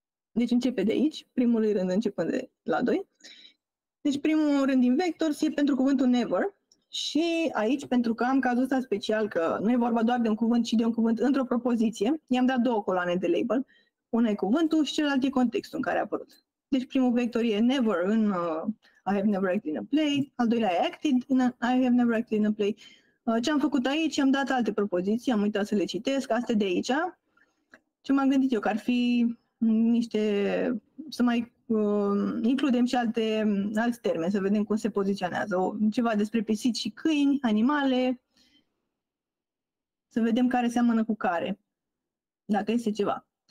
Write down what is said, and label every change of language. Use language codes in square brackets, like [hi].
[ro] Deci începe de aici, primului rând începând de la 2. Deci primul rând din vectors e pentru cuvântul never și aici, pentru că am cazul ăsta special, că nu e vorba doar de un cuvânt, ci de un cuvânt într-o propoziție, i-am dat două coloane de label. Una e cuvântul și celălalt e contextul în care a apărut. Deci primul vector e never în [en] I have never acted in a play, [ro] al doilea e acted in I have never acted in a play. Ce am făcut aici? I-am dat alte propoziții, am uitat să le citesc, astea de aici. Ce m-am gândit eu, că ar fi niște, să mai includem și alți termeni, să vedem cum se poziționează. Ceva despre pisici și câini, animale, să vedem care seamănă cu care, dacă este ceva.